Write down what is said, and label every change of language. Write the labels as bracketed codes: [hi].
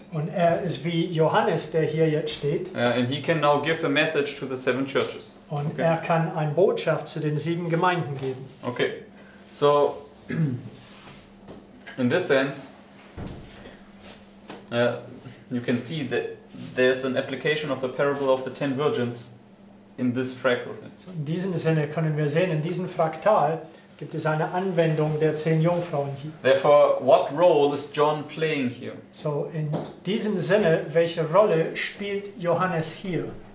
[de] Und er ist wie Johannes, der hier jetzt steht. [en] And he can now give a message to the seven churches. [de] Und okay. Er kann eine Botschaft zu den 7 Gemeinden geben. [en] Okay, so in this sense, you can see that there's an application of the parable of the 10 virgins. In this fractal. [de] In diesem Sinne können wir sehen, in diesem Fraktal gibt es eine Anwendung der 10 Jungfrauen hier. [en] Therefore, what role is John playing here? [de] So, in diesem Sinne, welche Rolle spielt Johannes hier?